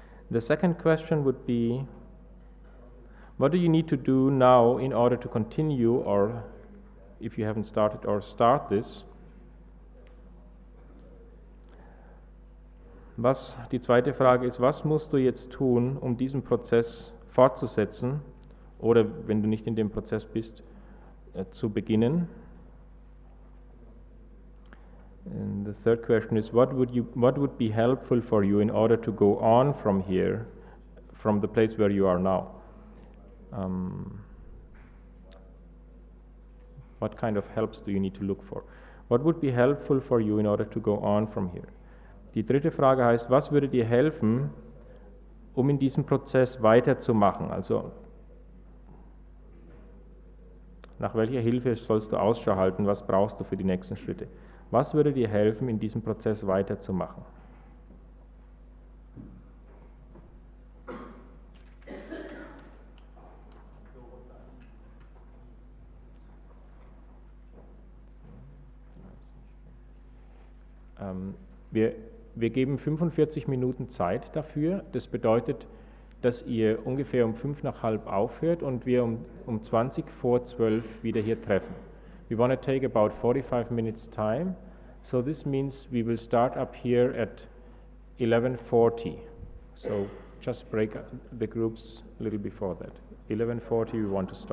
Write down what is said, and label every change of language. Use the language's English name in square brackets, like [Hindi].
[English] The second question would be, what do you need to do now in order to continue or if you haven't started or start this? [German] Was die zweite Frage ist, was musst du jetzt tun, um diesen Prozess fortzusetzen oder wenn du nicht in dem Prozess bist, zu beginnen? [English] And the third question is, what would be helpful for you in order to go on from here, from the place where you are now? What kind of helps do you need to look for? What would be helpful for you in order to go on from here? [German] Die dritte Frage heißt, was würde dir helfen, um in diesem Prozess weiterzumachen? Also, nach welcher Hilfe sollst du Ausschau halten? Was brauchst du für die nächsten Schritte? Was würde dir helfen, in diesem Prozess weiterzumachen? Wir geben 45 Minuten Zeit dafür. Das bedeutet, dass ihr ungefähr um 5:30 aufhört und wir um 12:20 wieder hier treffen. [English] We want to take about 45 minutes time. So this means we will start up here at 11:40. So just break the groups a little before that. 11:40 we want to start.